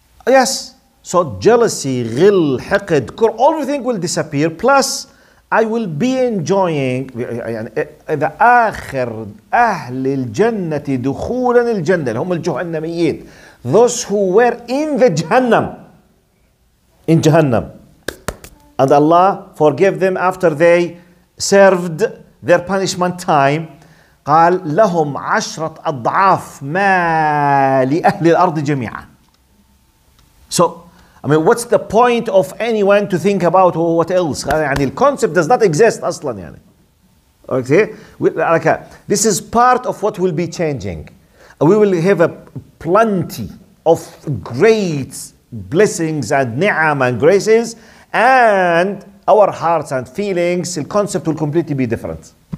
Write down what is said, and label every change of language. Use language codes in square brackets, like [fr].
[en] Yes. So jealousy, ghil, haqid, kur, all everything will disappear, plus I will be enjoying the [ar] آخر أهل الجنة دخولا الجنة هم الجهنميين. [en] Those who were in the Jahannam, in Jahannam, and Allah forgave them after they served their punishment time. [ar] قال لهم عشرة أضعاف ما لأهل الأرض جميعا. [en] So I mean, what's the point of anyone to think about what else? I mean, the concept does not exist, aslan. Yani. Okay? This is part of what will be changing. We will have a plenty of great blessings and ni'am and graces, and our hearts and feelings, the concept will completely be different.